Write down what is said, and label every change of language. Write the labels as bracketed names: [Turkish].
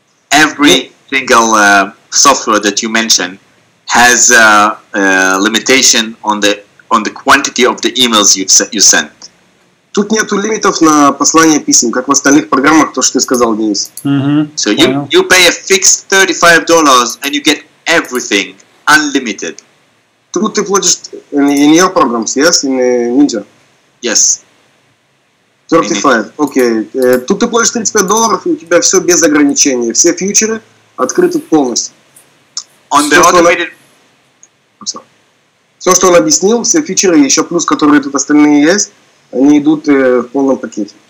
[English] Every single software that you mentioned has a limitation on the quantity of the emails you send. [Russian] Тут нету лимитов на послание писем, как в остальных программах, то, что ты сказал, Денис. [English] So you pay a fixed $35 and you get everything unlimited. [Russian] Тут ты платишь [English] in your programs, yes, in Ninja? Yes. $35, окей. Okay. [Russian] Тут ты платишь $35 и у тебя все без ограничений, все фьючеры открыты полностью. [English] On the automated... [Russian] Все, что он объяснил, все фьючеры, еще плюс, которые тут остальные есть, они идут в полном пакете.